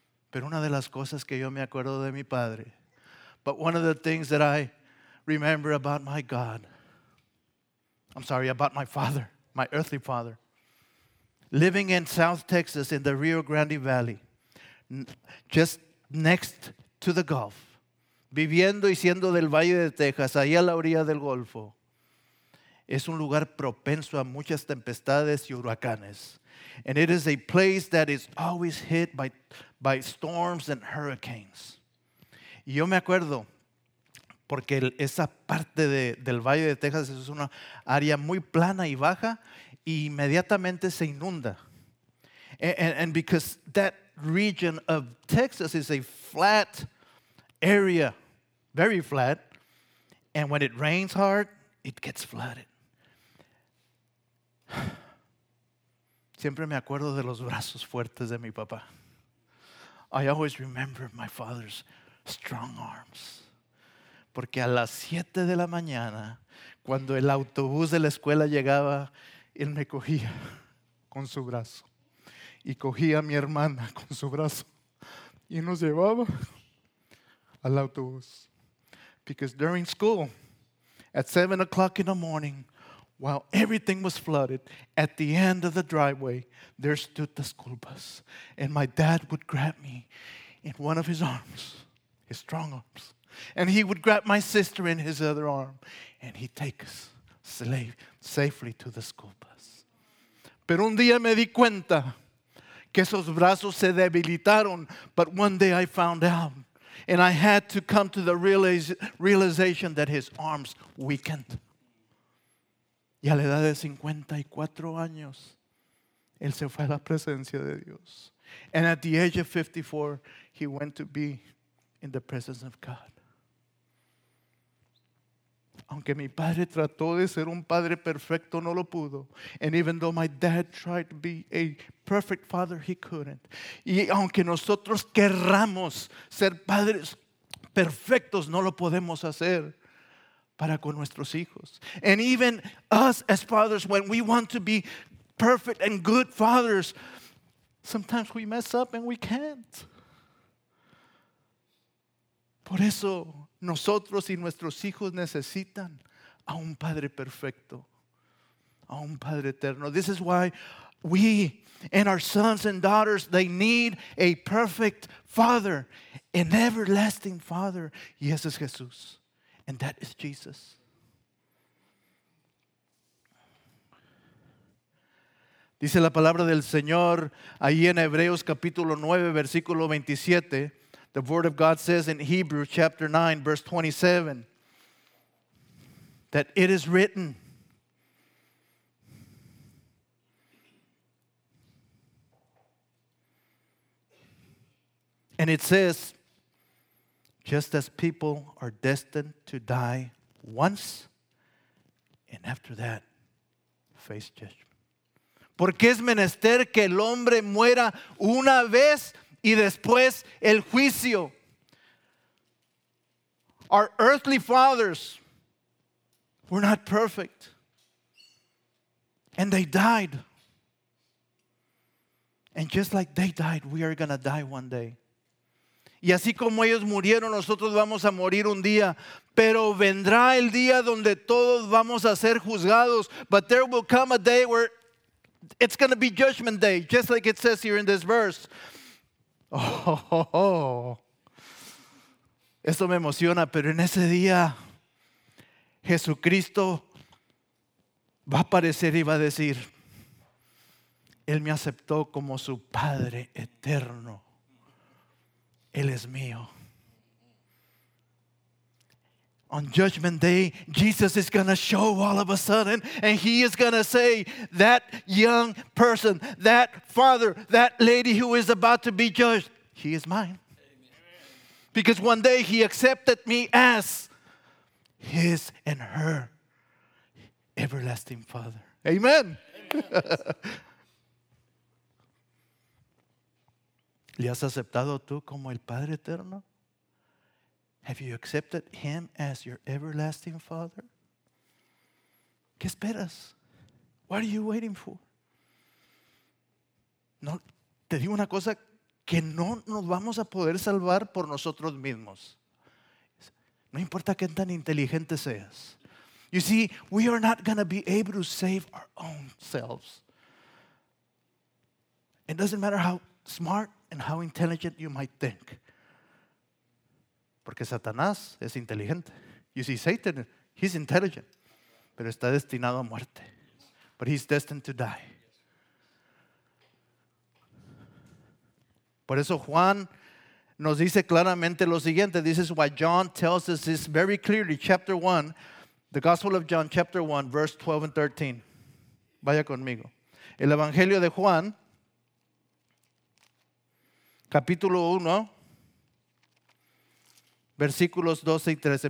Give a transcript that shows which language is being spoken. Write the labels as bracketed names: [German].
[Spanish] Pero una de las cosas que yo me acuerdo de mi padre, [English] but one of the things that I remember about my God, I'm sorry, about my father, my earthly father, living in South Texas in the Rio Grande Valley, just next to the Gulf, [Spanish] viviendo y siendo del Valle de Texas, ahí a la orilla del Golfo, es un lugar propenso a muchas tempestades y huracanes. [English] And it is a place that is always hit by storms and hurricanes. [Spanish] Y yo me acuerdo, porque esa parte del Valle de Texas es una área muy plana y baja, y inmediatamente se inunda. [English] And because that region of Texas is a flat area, very flat, and when it rains hard, it gets flooded. [Spanish] Siempre me acuerdo de los brazos fuertes de mi papá. [English] I always remember my father's strong arms. [Spanish] Porque a las 7 de la mañana, cuando el autobús de la escuela llegaba, él me cogía con su brazo. Y cogía a mi hermana con su brazo. Y nos llevaba al autobús. [English] Because during school, at 7 o'clock in the morning, while everything was flooded, at the end of the driveway, there stood the school bus. And my dad would grab me in one of his arms, his strong arms. And he would grab my sister in his other arm. And he'd take us safely to the school bus. [Spanish] Pero un día me di cuenta que esos brazos se debilitaron. [English] But one day I found out. And I had to come to the realization that his arms weakened. [Spanish] Y a la edad de 54 años, él se fue a la presencia de Dios. [English] And at the age of 54, he went to be in the presence of God. [Spanish] Aunque mi padre trató de ser un padre perfecto, no lo pudo. [English] And even though my dad tried to be a perfect father, he couldn't. [Spanish] Y aunque nosotros querramos ser padres perfectos, no lo podemos hacer. Para con nuestros hijos. [English] And even us as fathers, when we want to be perfect and good fathers, sometimes we mess up and we can't. [Spanish] Por eso, nosotros y nuestros hijos necesitan a un padre perfecto, a un padre eterno. [English] This is why we and our sons and daughters, they need a perfect father, an everlasting father. [Spanish] Y ese es Jesús. [English] And that is Jesus. [Spanish] Dice la palabra del Señor ahí en Hebreos capítulo 9, versículo 27. [English] The word of God says in Hebrews chapter 9, verse 27, that it is written. And it says, just as people are destined to die once, and after that, face judgment. [Spanish] Porque es menester que el hombre muera una vez y después el juicio. [English] Our earthly fathers were not perfect, and they died. And just like they died, we are going to die one day. [Spanish] Y así como ellos murieron, nosotros vamos a morir un día. Pero vendrá el día donde todos vamos a ser juzgados. [English] But there will come a day where it's going to be judgment day, just like it says here in this verse. Oh, ho, ho, ho. [Spanish] Esto me emociona, pero en ese día Jesucristo va a aparecer y va a decir: Él me aceptó como su Padre eterno. Él es mío. [English] On Judgment Day, Jesus is going to show all of a sudden, and He is going to say, that young person, that father, that lady who is about to be judged, He is mine. Because one day He accepted me as His and her everlasting Father. Amen. Amen. [Spanish] ¿Le has aceptado tú como el Padre Eterno? [English] Have you accepted Him as your everlasting Father? [Spanish] ¿Qué esperas? [English] What are you waiting for? [Spanish] No, te digo una cosa, que no nos vamos a poder salvar por nosotros mismos. No importa qué tan inteligente seas. [English] You see, we are not going to be able to save our own selves. It doesn't matter how smart and how intelligent you might think. [Spanish] Porque Satanás es inteligente. [English] You see, Satan, he's intelligent, [Spanish] pero está destinado a muerte. [English] But he's destined to die. [Spanish] Por eso Juan nos dice claramente lo siguiente. [English] This is why John tells us this very clearly. Chapter 1, the Gospel of John, chapter 1, verse 12 and 13. [Spanish] Vaya conmigo. El Evangelio de Juan, capítulo 1, versículos 12 y 13.